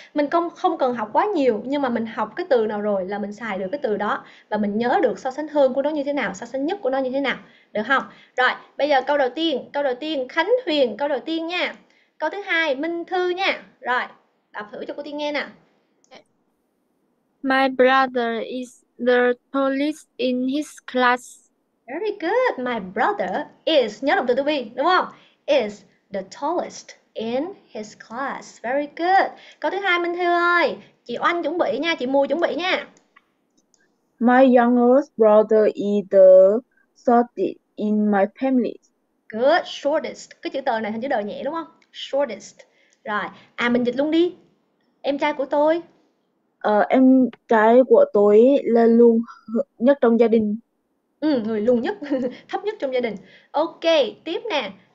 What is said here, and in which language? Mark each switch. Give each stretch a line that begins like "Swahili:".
Vietnamese: Mình không cần học quá nhiều, nhưng mà mình học cái từ nào rồi là mình xài được cái từ đó và mình nhớ được so sánh hơn của nó như thế nào, so sánh nhất của nó như thế nào, được không? Rồi, bây giờ câu đầu tiên Khánh Huyền câu đầu tiên nha. Câu thứ hai Minh Thư nha. Rồi, đọc thử cho cô Tiên nghe nè.
English: My brother is the tallest in his class. Very good. My brother is,
Vietnamese: nhớ động từ to be, đúng không?
English: Is the tallest in his class. Very good.
Vietnamese: Câu thứ hai Minh Thư ơi, chị Oanh chuẩn bị nha, chị Mùi chuẩn bị nha.
English: My youngest brother is the shortest in my family. Good, shortest.
Vietnamese: Cái chữ tờ này hình chữ đờ nhẹ đúng không? Shortest. Rồi, mình dịch luôn đi. Em trai của tôi. Em trai của tôi là luôn nhất trong gia đình. Ừ, người lùn nhất, thấp nhất trong gia đình. Ok, tiếp nè.